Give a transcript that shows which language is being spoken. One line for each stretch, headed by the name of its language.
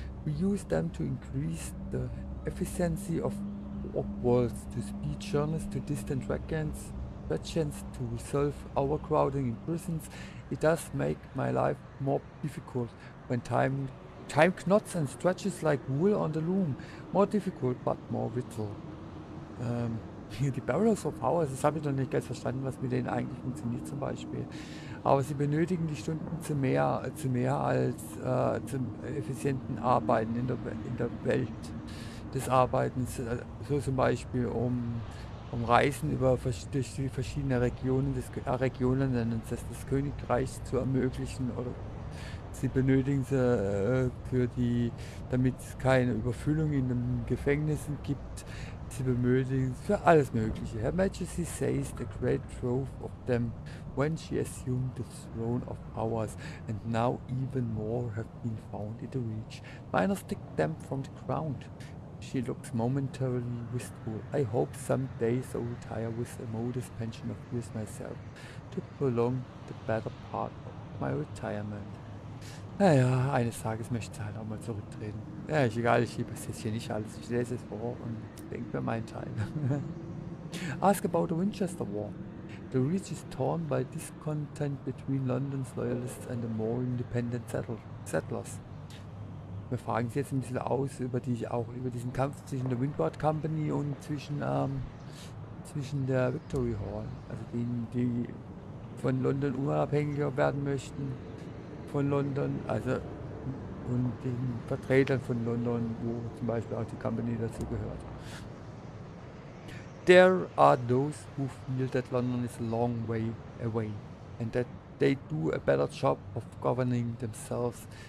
English: We use them to increase the efficiency of warp worlds, to speed journeys to distant regions, to resolve overcrowding in prisons. It does make my life more difficult when time knots and stretches like wool on the loom. More difficult, but more vital.
German: Die Barrels of Hours, das habe ich noch nicht ganz verstanden, was mit denen eigentlich funktioniert zum Beispiel. Aber sie benötigen die Stunden zum effizienten Arbeiten in der Welt des Arbeitens. So zum Beispiel um Reisen durch die verschiedenen Regionen des Königreichs zu ermöglichen. Oder sie benötigen sie damit es keine Überfüllung in den Gefängnissen gibt. Sie benötigen für alles Mögliche.
English: Her Majesty says the great trove of them when she assumed the throne of ours, and now even more have been found in the reach. Miners dig them from the ground. She looks momentarily wistful. I hope someday so retire with a modest pension of years myself to prolong the better part of my retirement.
German: Naja, eines Tages möchte ich halt auch mal zurücktreten. Ja, ist egal, ich liebe es jetzt hier nicht alles. Ich lese es vor und denke mir meinen Teil.
English: Ask about the Winchester War. The Reach is torn by discontent between London's loyalists and the more independent settlers.
German: Wir fragen sie jetzt ein bisschen aus über diesen Kampf zwischen der Windward Company und zwischen der Victory Hall. Also denen, die von London unabhängiger werden möchten. Von London, also und den Vertretern von London, wo zum Beispiel auch die Company dazu gehört.
English: There are those who feel that London is a long way away and that they do a better job of governing themselves.